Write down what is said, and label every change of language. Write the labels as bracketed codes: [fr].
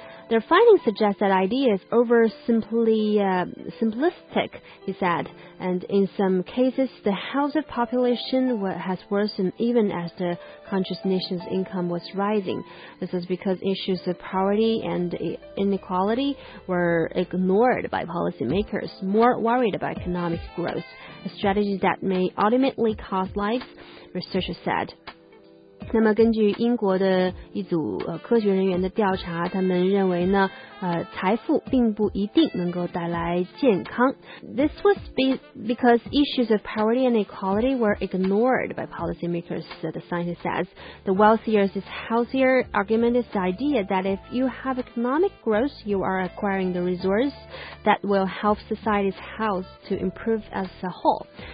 [en] Their findings suggest that idea is over simplistic, he said, and in some cases the health of population has worsened even as the country's nation's income was rising. This is because issues of poverty and inequality were ignored by policymakers, more worried about economic growth, a strategy that may ultimately cost lives, researchers said. [zh] 那么根据英国的一组科学人员的调查，他们认为呢财富并不一定能够带来健康。 [en] This was because issues of poverty and equality were ignored by policymakers, the scientist says. The wealthier is healthier argument is the idea that if you have economic growth, you are acquiring the resource that will help society's health to improve as a whole.